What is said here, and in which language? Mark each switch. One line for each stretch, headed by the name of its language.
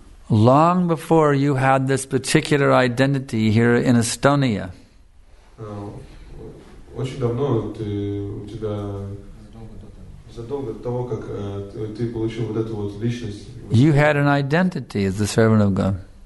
English: Long before you had this particular identity here in Estonia.
Russian: Очень давно у тебя задолго до того, как ты получил вот эту вот личность.
English: You had an identity as the servant of God.